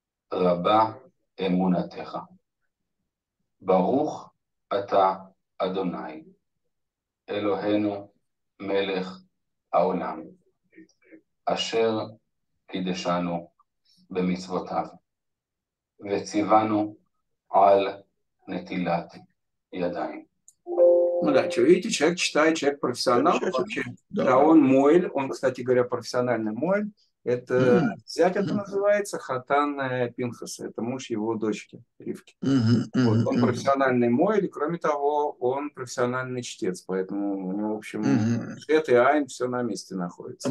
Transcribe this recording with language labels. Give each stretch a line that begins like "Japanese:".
Hebrew: Раба אמונתך. ברוך אתה אדוני, אלוהינו מלך העולם, אשר קידשנו במצוותיו, וציוונו על נטילת ידיים.
Russian: Ну да, что видите, человек читает, человек профессионал вообще. Да, он моэль, он, кстати говоря, профессиональный моэль. Это зять это называется, Хатан Пинхас, это муж его дочки Ривки. Вот, он профессиональный моэль, и кроме того, он профессиональный чтец, поэтому, ну, в общем, свет и айн все на месте находится.